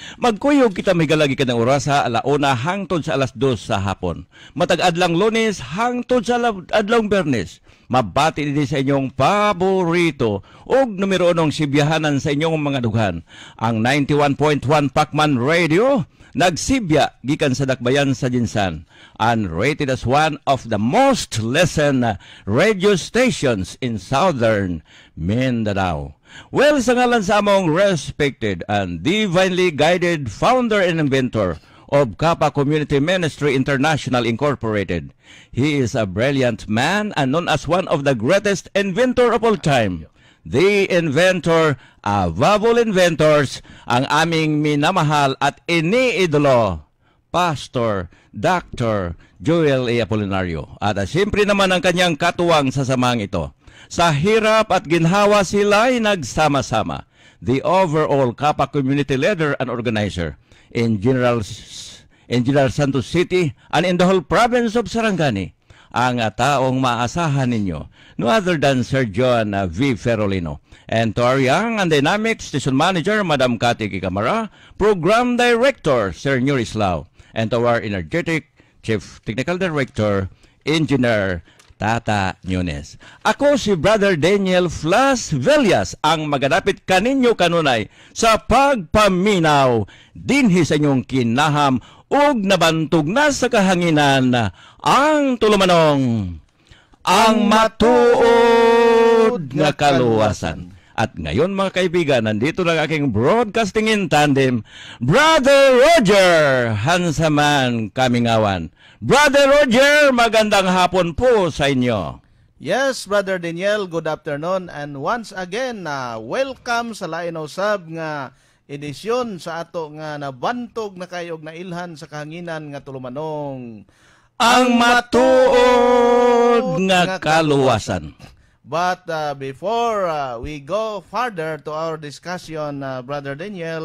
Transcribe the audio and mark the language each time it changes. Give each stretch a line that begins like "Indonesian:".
Cebuano: Magkuyog kita migalagi ka ng orasa, alauna hangtod sa alas dos sa hapon. Matag-adlang Lunes hangtod sa adlang Bernes. Mabati din sa inyong paborito o numero unong sibyahanan sa inyong mga dughan. Ang 91.1 Pacman Radio, nagsibya gikan sa dakbayan sa Jinsan.
English: And rated as one of the most listened radio stations in Southern Mindanao. Well,
Cebuano: sa ngalan sa among
English: respected and divinely guided founder and inventor of Kapa Community Ministry International Incorporated, he is a brilliant man and known as one of the greatest inventor of all time. The inventor, Avable Inventors,
Filipino: ang aming minamahal at iniidolo, Pastor Dr. Joel A. Apolinario. At siyempre naman ang kanyang katuwang sa samahang ito. Sa hirap at ginhawa sila'y nagsama-sama.
English: The overall Kapa Community Leader and Organizer in General Santos City and in the whole province of Sarangani,
Filipino: ang taong maasahan ninyo,
English: no other than Sir John V. Ferolino. And to our young and dynamic Station Manager, Madam Cathy Kikamara, Program Director, Sir Nuris Lau, and to our energetic Chief Technical Director, Engineer Tata Nunes.
Cebuano: Ako si Brother Daniel Flas Velias, ang magadapit kaninyo kanunay sa pagpaminaw dinhi sa inyong kinaham ug nabantog na sa kahanginan ang tulumanong ang matuod nga kaluwasan.
Filipino: At ngayon mga kaibigan, nandito lang aking
English: broadcasting in tandem,
Filipino: Brother Roger Hansaman Kamingawan. Brother Roger, magandang hapon po sa inyo.
English: Yes, Brother Daniel, good afternoon. And once again, welcome
Cebuano: sa lainausab nga edisyon sa ato nga nabantog na kayo na ilhan sa kahanginan nga tulumanong ang matuod nga kaluwasan.
English: But before we go further to our discussion, Brother Daniel.